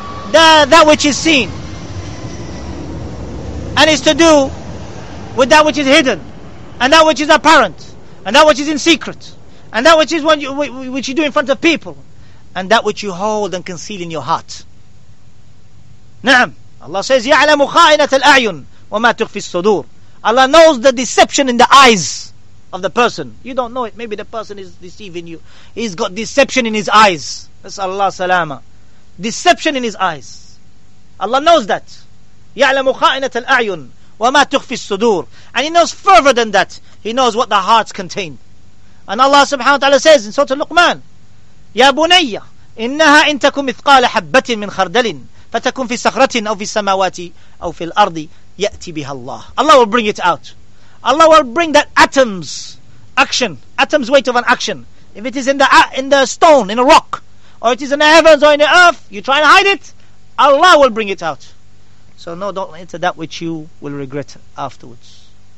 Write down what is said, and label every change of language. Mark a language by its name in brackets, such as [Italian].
[English] That which is seen. And is to do with that which is hidden. And that which is apparent. And that which is in secret. And that which is what you do in front of people. And that which you hold and conceal in your heart. [Arabic] Na'am. [English] Allah says, [Arabic] يَعْلَمُ خَائِنَةَ الْأَعْيُنِ وَمَا تُخْفِي الصُّدُورِ. [English] Allah knows the deception in the eyes of the person. You don't know it. Maybe the person is deceiving you. He's got deception in his eyes. That's Allah salama. Deception in his eyes. Allah knows that. [Arabic] يَعْلَمُ خَائِنَةَ الْأَعْيُنِ وَمَا تُخْفِي الصُّدُورِ. [English] And He knows further than that. He knows what the hearts contain. And Allah subhanahu wa ta'ala says in Surah Al-Luqman, [Arabic] يَا بُنَيَّ إِنَّهَا إِنْ تَكُمْ مِثْقَالَ حَبَّةٍ مِنْ خَرْدَلٍ فَتَكُمْ فِي سَخْرَةٍ أَوْ فِي السَّمَاوَاتِ أَوْ فِي الْأَرْضِ يَأْتِ بِهَا اللَّهُ. [English] Allah will bring it out. Allah will bring that atoms action, atoms weight of an action. If it is in the stone, in a rock, or it is in the heavens or in the earth, you try and hide it, Allah will bring it out. So no, don't enter that which you will regret afterwards.